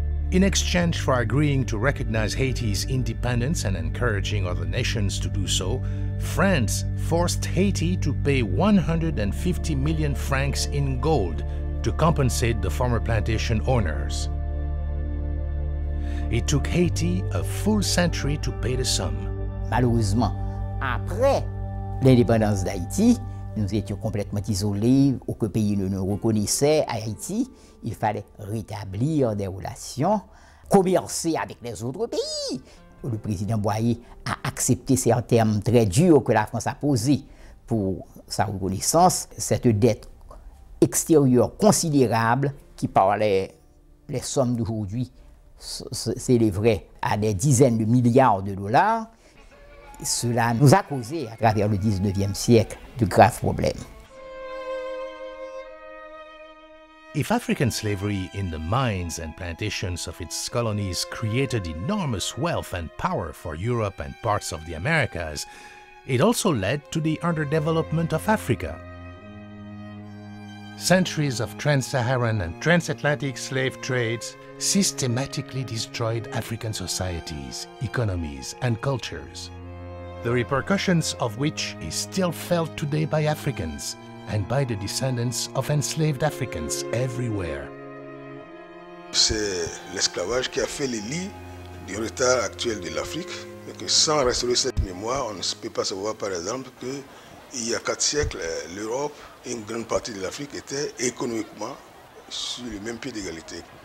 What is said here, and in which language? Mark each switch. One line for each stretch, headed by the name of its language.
English: In exchange for agreeing to recognize Haiti's independence and encouraging other nations to do so, France forced Haiti to pay 150 million francs in gold to compensate the former plantation owners. It took Haiti a full century to pay the sum.
French: Malheureusement, après l'indépendance d'Haïti, nous étions complètement isolés, aucun pays ne nous reconnaissait à Haïti. Il fallait rétablir des relations, commercer avec les autres pays. Le président Boyer a accepté ces termes très durs que la France a posés pour sa reconnaissance, cette dette extérieure considérable qui parlait les sommes d'aujourd'hui s'élèverait à des dizaines de milliards de dollars. Cela nous a causé, à travers le 19e siècle, de graves problèmes.
English: If African slavery in the mines and plantations of its colonies created enormous wealth and power for Europe and parts of the Americas, it also led to the underdevelopment of Africa. centuries of trans-Saharan and transatlantic slave trades systematically destroyed African societies, economies, and cultures, the repercussions of which is still felt today by Africans and by the descendants of enslaved Africans everywhere.
French: C'est l'esclavage qui a fait les lits du retard actuel de l'Afrique, mais que sans restaurer cette mémoire, on ne peut pas savoir, par exemple, que il y a quatre siècles, l'Europe, une grande partie de l'Afrique, était économiquement sur le même pied d'égalité.